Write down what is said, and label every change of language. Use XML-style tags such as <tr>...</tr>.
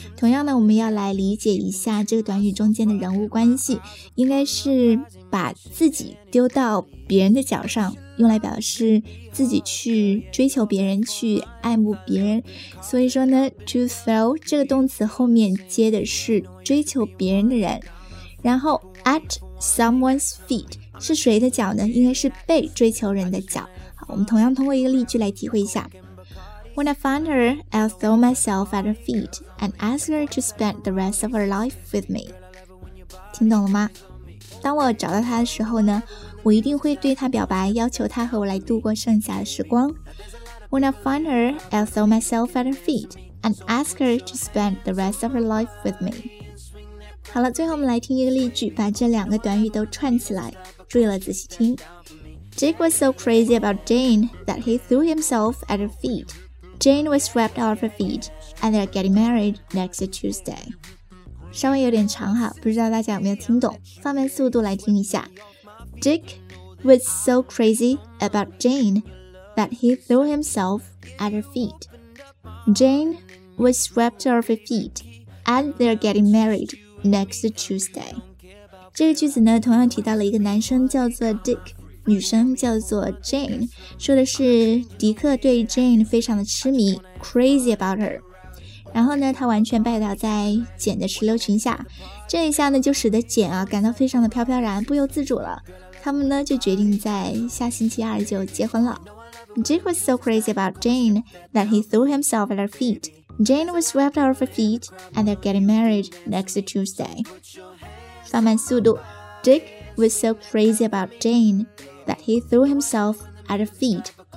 <zh>同样呢，我们要来理解一下这个短语中间的人物关系，应该是把自己丢到别人的脚上，用来表示自己去追求别人，去爱慕别人。所以说呢</zh> <en>to throw</en> <zh>这个动词后面接的是追求别人的人，然后</zh> <en>at someone's feet</en> <zh>是谁的脚呢？应该是被追求人的脚。好，我们同样通过一个例句来体会一下。</zh> <en>When I find her, I'll throw myself at her feet and ask her to spend the rest of her life with me.</en> <zh>听懂了吗？当我找到她的时候呢，我一定会对她表白，要求她和我来度过剩下的时光。</zh> <en>When I find her, I'll throw myself at her feet and ask her to spend the rest of her life with me.</en> <zh>好了，最后我们来听一个例句，把这两个短语都串起来，注意了仔细听。</zh> <en>Dick was so crazy about Jane that he threw himself at her feet. Jane was swept off her feet, and they're getting married next Tuesday.</en> <zh>稍微有点长哈，不知道大家有没有听懂，放慢速度来听一下。</zh> <en>Dick was so crazy about Jane that he threw himself at her feet. Jane was swept off her feet, and they're getting married. Next Tuesday，</en> <zh>这个句子呢同样提到了一个男生叫做 Dick， 女生叫做 Jane， 说的是迪克对 Jane 非常的痴迷，</zh> <en>crazy about her，</en> <zh>然后呢他完全拜倒在简的石榴裙下，这一下呢就使得简啊感到非常的飘飘然，不由自主了，他们呢就决定在下星期二就结婚了。</zh> <en>Dick was so crazy about Jane that he threw himself at her feetJane was swept off her feet, and they're getting married next Tuesday.</en> <zh>放慢速度。</zh> <en>Dick was so crazy about Jane that he threw himself at her feet.</en>